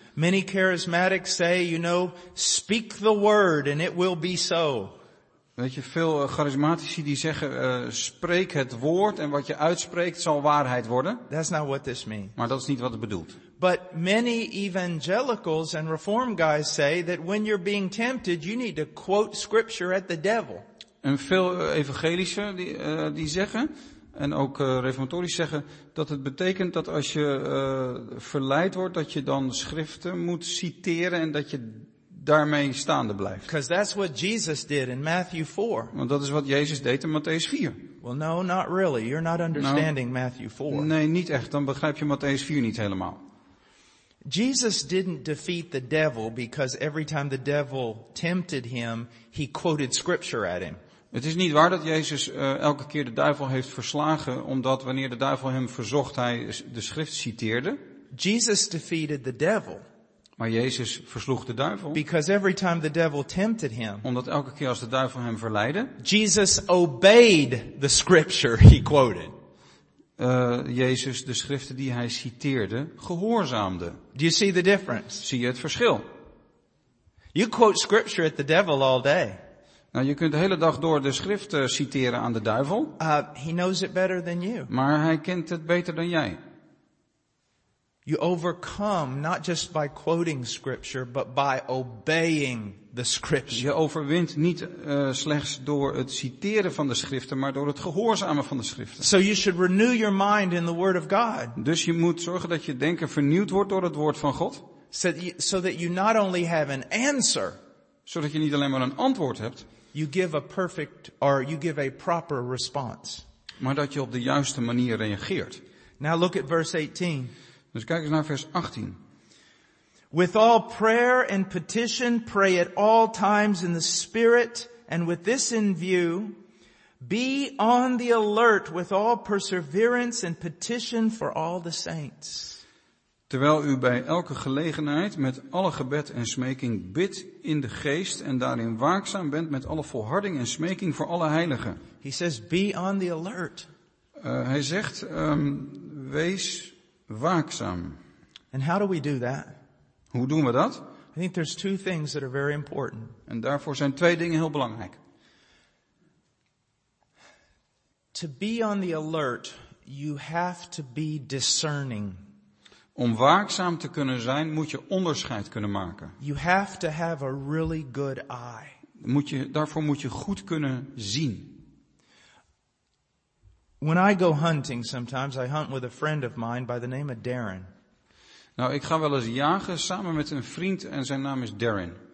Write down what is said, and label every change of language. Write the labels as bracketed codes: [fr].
[en] Many charismatics say, you know, speak the word and it will be so. [nl] Weet je, veel charismatici die zeggen, spreek het woord en wat je uitspreekt zal waarheid worden. [en] That's not what this means. [nl] Maar dat is niet wat het bedoelt. [en] But many evangelicals and reform guys say that when you're being tempted, you need to quote scripture at the devil. [nl] En veel evangelische die zeggen, en ook reformatorisch zeggen, dat het betekent dat als je verleid wordt, dat je dan schriften moet citeren en dat je daarmee staande blijft. [en] Because that's what Jesus did in Matthew 4. [nl] Want dat is wat Jezus deed in Matthäus 4. [en] Well, no, not really. You're not understanding Matthew 4. [nl] Nee, niet echt. Dan begrijp je Matthäus 4 niet helemaal. [en] Jesus didn't defeat the devil because every time the devil tempted him, he quoted scripture at him. [nl] Het is niet waar dat Jezus elke keer de duivel heeft verslagen, omdat wanneer de duivel hem verzocht, hij de schrift citeerde. [en] Jesus defeated the devil. [nl] Maar Jezus versloeg de duivel. [en] Because every time the devil tempted him. [nl] Omdat elke keer als de duivel hem verleidde. [en] Jesus obeyed the scripture he quoted. [nl] Jezus de schriften die hij citeerde gehoorzaamde. [en] Do you see the difference? [nl] Zie je het verschil? [en] You quote scripture at the devil all day. [nl] Nou, je kunt de hele dag door de schriften citeren aan de duivel. [en] He knows it better than you. [nl] Maar hij kent het beter dan jij. [en] You overcome not just by quoting scripture, but by obeying the scripture. [nl] Je overwint niet slechts door het citeren van de schriften, maar door het gehoorzamen van de schriften. [en] So you should renew your mind in the word of God. [nl] Dus je moet zorgen dat je denken vernieuwd wordt door het woord van God. [en] So that you not only have an answer. [nl] Zodat je niet alleen maar een antwoord hebt. [en] You give a perfect or you give a proper response. [nl] Maar dat je op de juiste manier reageert. [en] Now look at verse 18. [nl] Dus kijk eens naar vers 18. [en] With all prayer and petition, pray at all times in the Spirit, and with this in view, be on the alert with all perseverance and petition for all the saints. [nl] Terwijl u bij elke gelegenheid met alle gebed en smeking bidt in de geest en daarin waakzaam bent met alle volharding en smeking voor alle heiligen. [en] He says, be on the alert. [nl] Hij zegt, wees waakzaam. [en] And how do we do that? [nl] Hoe doen we dat? [en] I think there's two things that are very important. [nl] En daarvoor zijn twee dingen heel belangrijk. [en] To be on the alert, you have to be discerning. [nl] Om waakzaam te kunnen zijn, moet je onderscheid kunnen maken. [en] You have to have a really good eye. [nl] Daarvoor moet je goed kunnen zien. [en] When I go hunting sometimes, I hunt with a friend of mine by the name of Darren. [nl] Nou, ik ga wel eens jagen samen met een vriend en zijn naam is Darren.